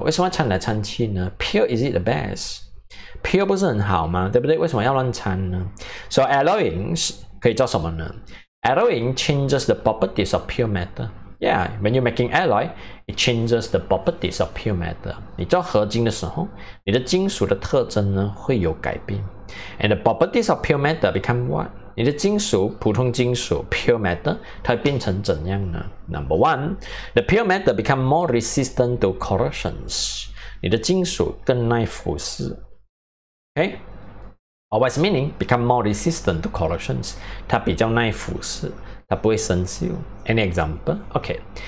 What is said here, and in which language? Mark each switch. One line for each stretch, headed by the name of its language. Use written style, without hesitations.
Chinese: 为什么掺来掺去呢? Pure, is it the best? Pure 不是很好吗?对不对? 为什么要乱掺呢? So alloying 可以做什么呢?
English: Alloying changes the properties of pure matter. Yeah, when you're making alloy, it changes the properties of pure matter.
Chinese: 你做合金的时候, 你的金属的特征呢会有改变.
English: And the properties of pure matter become what?
Chinese: 你的金属,普通金属, pure matter, 它会变成怎样呢?
English: Number one, the pure matter become more resistant to corrosions.
Chinese: 你的金属更耐腐蚀. Okay?
English: Or what's meaning? Become more resistant to corrosions. 它比较耐腐蚀, 它不会生锈. Any example? Okay.